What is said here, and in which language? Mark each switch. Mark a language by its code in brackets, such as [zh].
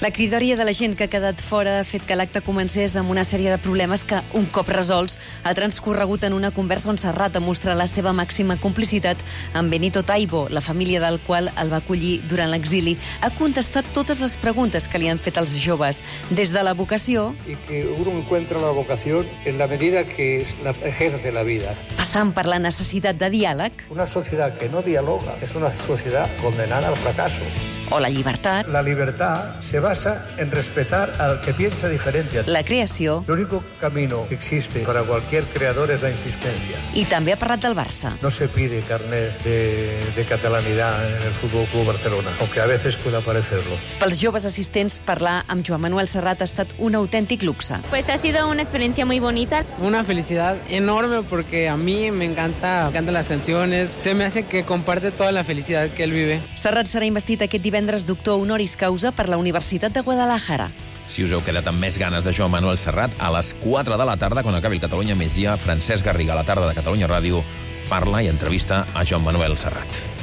[ca] La cridòria de la gent que ha quedat fora ha fet que l'acte comencés amb una sèrie de problemes que, un cop resolts, ha transcorregut en una conversa on Serrat demostra la seva màxima complicitat amb Benito Taibo, la família del qual el va acollir durant l'exili. Ha contestat totes les preguntes que li han fet els joves, des de la vocació... [es] Y que uno encuentra la vocación en la medida que ejerce la vida. [ca] Passant per la necessitat de diàleg... [es] Una sociedad que no dialoga es una sociedad condenada al fracaso. [ca] O la llibertat... [es] La libertad se basa en respetar al que piensa diferente. [ca] La creació... L'únic [es] camino que existe para cualquier creador es la insistencia. [ca] I també ha parlat del Barça. [es] No se pide carnet de catalanidad en el Fútbol Club Barcelona, aunque a veces pueda parecerlo. [ca] Pels joves assistents, parlar amb Joan Manuel Serrat ha estat un autèntic luxe. [es] Pues ha sido una experiencia muy bonita. Una felicidad enorme porque a mí me encantan las canciones. Se me hace que comparte toda la felicidad que él vive. [ca] Serrat serà investit aquest divendres doctor honoris causa per la Universitat de Guadalajara. Si us heu quedat amb més ganes de Joan Manuel Serrat, a les 4 de la tarda, quan acabi el Catalunya Migdia, Francesc Garriga, a la tarda de Catalunya Ràdio, parla i entrevista a Joan Manuel Serrat.